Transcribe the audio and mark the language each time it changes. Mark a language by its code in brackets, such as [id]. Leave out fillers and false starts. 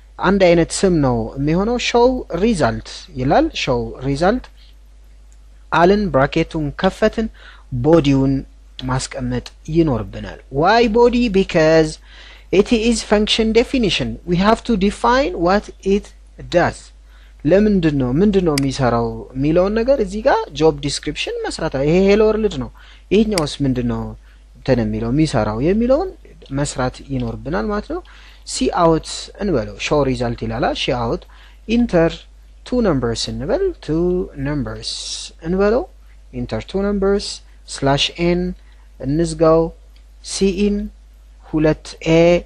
[am] አንድ አይነት ስም ነው የሚሆነው። ሾው ሪዛልት ይላል። ሾው ሪዛልት አለን። ብራኬቱን ከፈትን ቦዲውን ማስቀመጥ ይኖርብናል። [en] why body? because it is function definition. we have to define what it does. [am] ለምንድነው የሚሰራው የሚለውን ነገር እዚህ ጋር job description መስራታ ይሄ hello world ነው። ይሄኛውስ ምንድነው እንትን የሚለው የሚሰራው የሚለውን መስራት ይኖርብናል ማለት ነው። [en] see out እንበለው show result ይላል። see out enter two numbers እንበል two numbers እንበለው enter two numbers slash n እንዝጋው cin 2a